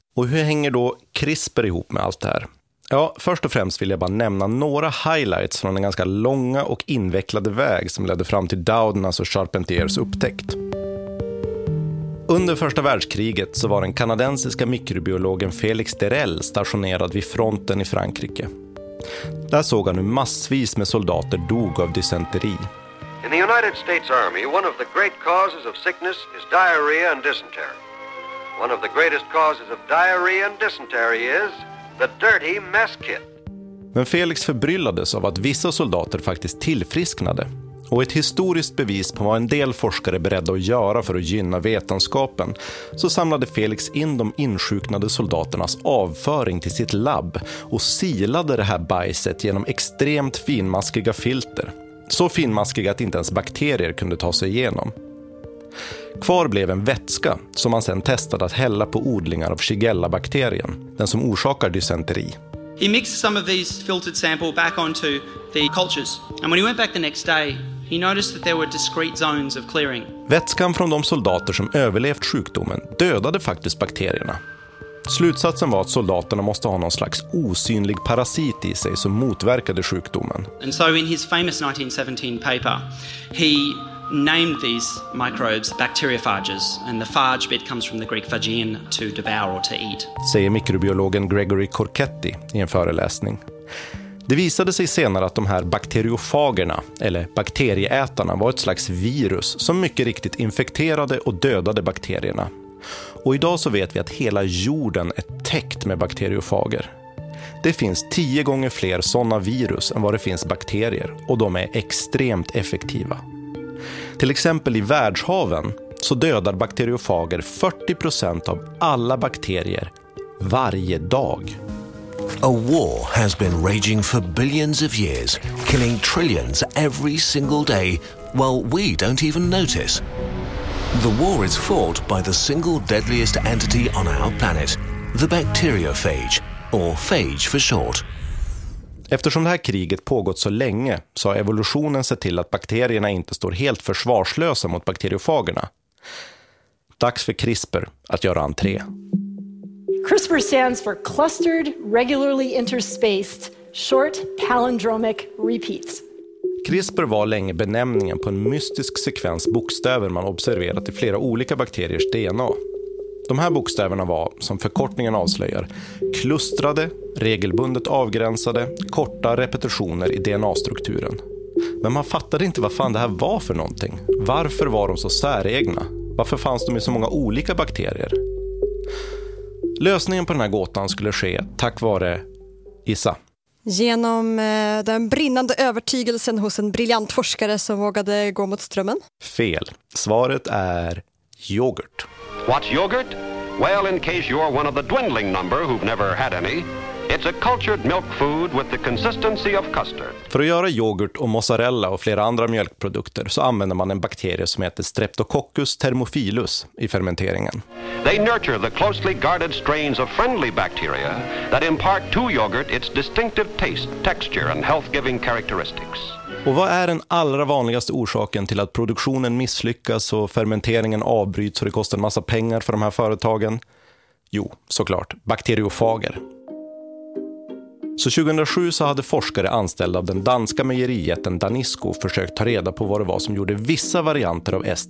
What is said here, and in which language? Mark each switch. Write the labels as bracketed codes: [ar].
[sv] Och hur hänger då CRISPR ihop med allt det här? Ja, först och främst vill jag bara nämna några highlights från den ganska långa och invecklade väg som ledde fram till Dowdenas och Charpentiers upptäckt. Under första världskriget så var den kanadensiska mikrobiologen Félix Derel stationerad vid fronten i Frankrike. Där såg han hur massvis med soldater dog av dysenteri. [en] In the United States Army, one of the great causes of sickness is diarrhea and dysentery. One of the greatest causes of diarrhea and dysentery is the dirty mess kit. [sv] Men Félix förbryllades av att vissa soldater faktiskt tillfrisknade. Och ett historiskt bevis på vad en del forskare beredda att göra för att gynna vetenskapen så samlade Félix in de insjuknade soldaternas avföring till sitt labb och silade det här bajset genom extremt finmaskiga filter. Så finmaskiga att inte ens bakterier kunde ta sig igenom. Kvar blev en vätska som man sedan testade att hälla på odlingar av Shigella-bakterien, den som orsakar dysenteri. [en] He mixed some of these filtered sample back onto the cultures. And when he went back the next day, he noticed that there were discrete zones of clearing. [sv] Vätskan från de soldater som överlevt sjukdomen dödade faktiskt bakterierna. Slutsatsen var att soldaterna måste ha någon slags osynlig parasit i sig som motverkade sjukdomen. [en] And so in his famous 1917 paper, he named these microbes bacteriophages, and the phage bit comes from the Greek phagein, to devour or to eat. [sv] Säger mikrobiologen Gregory Corchetti i en föreläsning. Det visade sig senare att de här bakteriofagerna, eller bakterieätarna, var ett slags virus som mycket riktigt infekterade och dödade bakterierna. Och idag så vet vi att hela jorden är täckt med bakteriofager. Det finns 10 gånger fler sådana virus än vad det finns bakterier, och de är extremt effektiva. Till exempel i världshaven så dödar bakteriofager 40% av alla bakterier varje dag. [en] A war has been raging for billions of years, killing trillions every single day, while we don't even notice. The war is fought by the single deadliest entity on our planet, the bacteriophage, or phage for short. [sv] Eftersom det här kriget pågått så länge så har evolutionen sett till att bakterierna inte står helt försvarslösa mot bakteriofagerna. Dags för CRISPR att göra entré. [en] CRISPR stands for clustered, regularly interspaced, short palindromic repeats. [sv] CRISPR var länge benämningen på en mystisk sekvens bokstäver man observerat i flera olika bakteriers DNA. De här bokstäverna var, som förkortningen avslöjar, klustrade, regelbundet avgränsade, korta repetitioner i DNA-strukturen. Men man fattade inte vad fan det här var för någonting. Varför var de så säregna? Varför fanns de i så många olika bakterier? Lösningen på den här gåtan skulle ske tack vare Issa. Genom den brinnande övertygelsen hos en briljant forskare som vågade gå mot strömmen? Fel. Svaret är yoghurt. [en] What's yoghurt? Well, in case you're one of the dwindling number who've never had any, it's a cultured milk food with the consistency of custard. [sv] För att göra yoghurt och mozzarella och flera andra mjölkprodukter så använder man en bakterie som heter Streptococcus thermophilus i fermenteringen. [en] They nurture the closely guarded strains of friendly bacteria that impart to yoghurt its distinctive taste, texture and health-giving characteristics. [sv] Och vad är den allra vanligaste orsaken till att produktionen misslyckas och fermenteringen avbryts och det kostar en massa pengar för de här företagen? Jo, såklart, bakteriofager. Så 2007 så hade forskare anställda av den danska mejerijätten Danisco försökt ta reda på vad det var som gjorde vissa varianter av S.